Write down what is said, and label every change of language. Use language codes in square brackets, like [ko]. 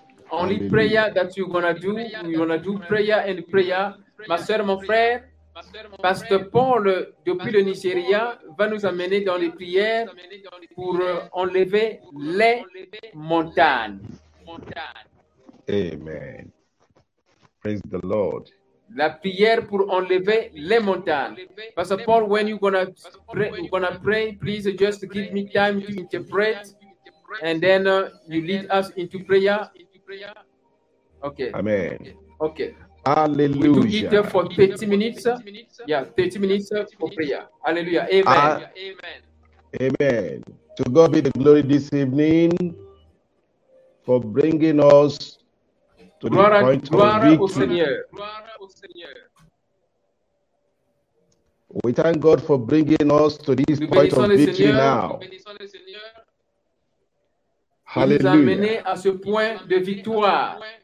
[en] Only prayer that you're going to do, you're going to do prayer and prayer. [fr] Ma soeur, mon frère, Pasteur Paul, depuis le Nigeria, va nous amener dans les prières pour enlever les montagnes. [en] Amen. Praise the Lord. [fr] La prière pour enlever les montagnes. [en] Pasteur Paul, when you're going to pray, please just give me time to interpret and then you lead us into prayer. Okay. Amen. Okay. Hallelujah. We do it for 30 minutes. Yeah, 30 minutes for prayer. Hallelujah. Amen. Amen. To God be the glory this evening for bringing us to the point of victory. [fr] Gloire au Seigneur. [en] We thank God for bringing us to this point of victory now. Hallelujah. [fr] Nous amener à ce point de victoire.